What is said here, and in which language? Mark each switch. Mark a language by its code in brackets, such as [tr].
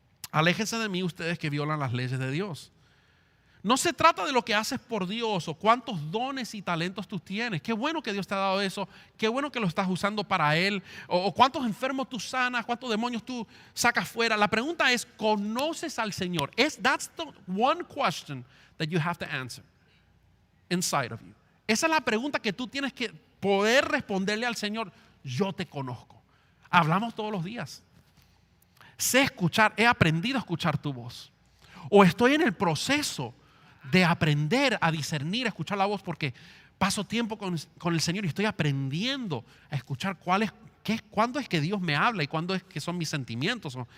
[es] Aléjense de mí ustedes que violan las leyes de Dios. No se trata de lo que haces por Dios o cuántos dones y talentos tú tienes. Qué bueno que Dios te ha dado eso. Qué bueno que lo estás usando para Él. O cuántos enfermos tú sanas, cuántos demonios tú sacas fuera. La pregunta es, ¿conoces al Señor? [en] That's the one question that you have to answer inside of you. [es] Esa es la pregunta que tú tienes que poder responderle al Señor. Yo te conozco. Hablamos todos los días. Sé escuchar, he aprendido a escuchar tu voz. O estoy en el proceso de aprender a discernir, a escuchar la voz, porque paso tiempo con el Señor y estoy aprendiendo a escuchar cuándo es que Dios me habla y cuándo es que son mis sentimientos.